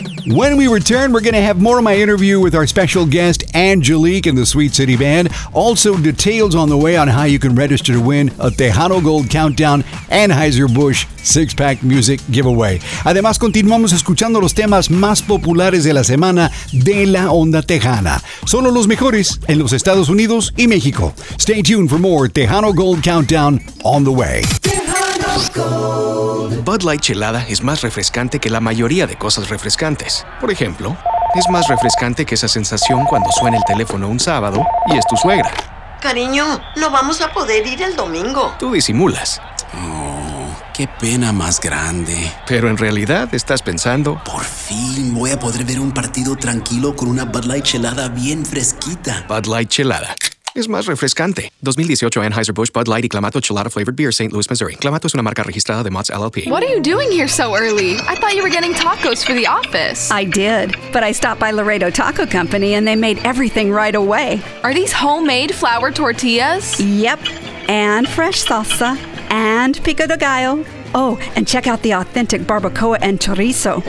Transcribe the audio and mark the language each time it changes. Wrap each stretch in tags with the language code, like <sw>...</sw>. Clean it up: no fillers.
<en>When we return, we're going to have more of my interview with our special guest, Angelique, and the Sweet City Band. Also, details on the way on how you can register to win a Tejano Gold Countdown Anheuser-Busch six-pack music giveaway.</en> <es>Además, continuamos escuchando los temas más populares de la semana de la onda tejana. Solo los mejores en los Estados Unidos y México. Stay tuned for more Tejano Gold Countdown on the way. Bud Light Chelada es más refrescante que la mayoría de cosas refrescantes. Por ejemplo, es más refrescante que esa sensación cuando suena el teléfono un sábado y es tu suegra. Cariño, no vamos a poder ir el domingo. Tú disimulas. Oh, qué pena más grande. Pero en realidad estás pensando... Por fin voy a poder ver un partido tranquilo con una Bud Light Chelada bien fresquita. Bud Light Chelada. Es más refrescante. 2018 Anheuser-Busch Bud Light y Clamato Chelada Flavored Beer, St. Louis, Missouri. Clamato es una marca registrada de Mott's LLP.</es> <en>What are you doing here so early? I thought you were getting tacos for the office. I did, but I stopped by Laredo Taco Company and they made everything right away. Are these homemade flour tortillas? Yep, and fresh salsa, and pico de gallo. Oh, and check out the authentic barbacoa and chorizo.</en>